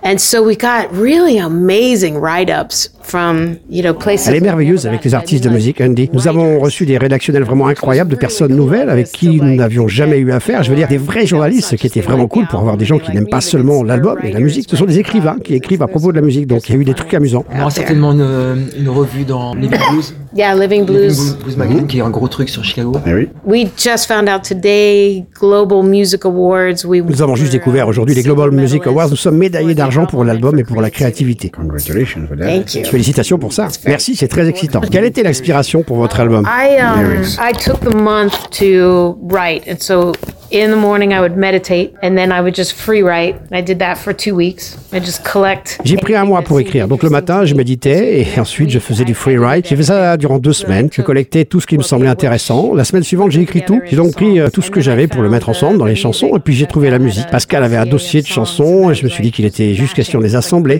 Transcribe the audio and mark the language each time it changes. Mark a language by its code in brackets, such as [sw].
[en] And so we got really amazing write-ups. From, you know, places. [fr] Elle est merveilleuse avec les artistes de musique indie. Nous avons reçu des rédactionnels vraiment incroyables de personnes nouvelles avec qui nous n'avions jamais eu affaire. Je veux dire, des vrais journalistes, ce qui était vraiment cool pour avoir des gens qui n'aiment pas seulement l'album et la musique. Ce sont des écrivains qui écrivent à propos de la musique, donc il y a eu des trucs amusants. On aura certainement une revue dans Living Blues. [en] Yeah, Living Blues. [fr] Blues Magazine, qui est un gros truc sur Chicago. Oui. [en] We just found out today Global Music Awards. [fr] Nous avons juste découvert aujourd'hui les Global Music Awards. Nous sommes médaillés d'argent pour l'album et pour la créativité. [en] Congratulations for that. Thank you. [fr] Félicitations pour ça. Merci, c'est très excitant. Quelle était l'inspiration pour votre album? [en] I took the month to write, and so in the morning I would meditate, and then I would just free write. I did that for 2 weeks. I just collect. [fr] J'ai pris un mois pour écrire. Donc le matin, je méditais, et ensuite je faisais du free write. J'ai fait ça durant 2 semaines. Je collectais tout ce qui me semblait intéressant. La semaine suivante, j'ai écrit tout. J'ai donc pris tout ce que j'avais pour le mettre ensemble dans les chansons, et puis j'ai trouvé la musique. Pascal avait un dossier de chansons, et je me suis dit qu'il était juste question de les assembler.